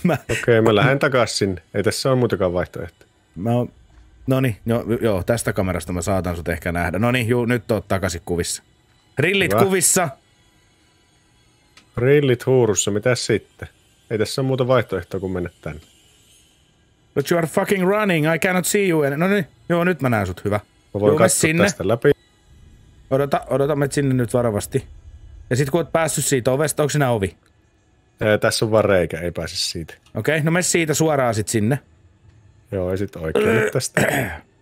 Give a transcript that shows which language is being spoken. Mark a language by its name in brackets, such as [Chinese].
[Finnish] Okei, mä lähden takas sinne. Ei tässä ole muutakaan vaihtoehtoja. Mä oon... Noniin, joo, tästä kamerasta mä saatan sut ehkä nähdä. Noniin, juu, nyt oot takaisin kuvissa. Rillit hyvä. Kuvissa! Rillit huurussa, mitä sitten? Ei tässä ole muuta vaihtoehtoa kuin mennä tänne. [English] But you are fucking running, I cannot see you. [Finnish] Noniin, joo, nyt mä näen sut, hyvä. Mä voin katsoa sinne. Tästä läpi. Odota, menet sinne nyt varovasti. Ja sit kun oot päässyt siitä ovesta, onko sinä ovi? Tässä on vaan reikä, ei pääse siitä. Okei, no menet siitä suoraan sit sinne. Joo, ei sit oikein nyt tästä.